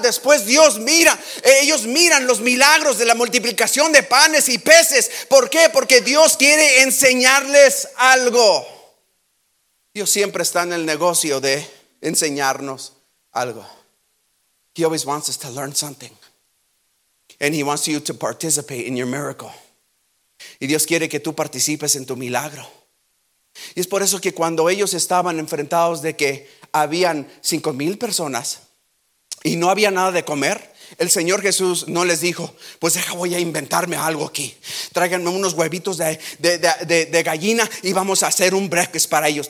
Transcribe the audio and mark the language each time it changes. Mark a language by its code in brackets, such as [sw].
[es] Después ellos miran los milagros de la multiplicación de panes y peces. ¿Por qué? Porque Dios quiere enseñarles algo. Dios siempre está en el negocio de enseñarnos algo. [en] He always wants us to learn something, and he wants you to participate in your miracle. [es] Y Dios quiere que tú participes en tu milagro. Y es por eso que cuando ellos estaban enfrentados de que habían 5,000 personas y no había nada de comer, el Señor Jesús no les dijo: pues deja, voy a inventarme algo aquí, tráiganme unos huevitos de gallina y vamos a hacer un breakfast para ellos.